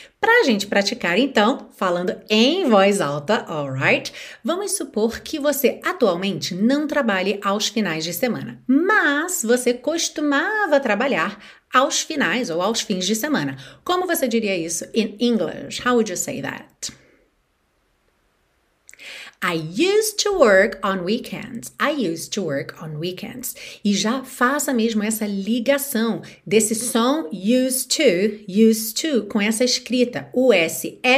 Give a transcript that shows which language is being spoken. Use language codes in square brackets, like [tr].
[pt] Para a gente praticar, então, falando em voz alta, alright? Vamos supor que você atualmente não trabalhe aos finais de semana, mas você costumava trabalhar aos finais ou aos fins de semana. Como você diria isso [en] in English? How would you say that? I used to work on weekends. I used to work on weekends. [pt] E já faça mesmo essa ligação desse som used to, com essa escrita, o S-E-D-T-O.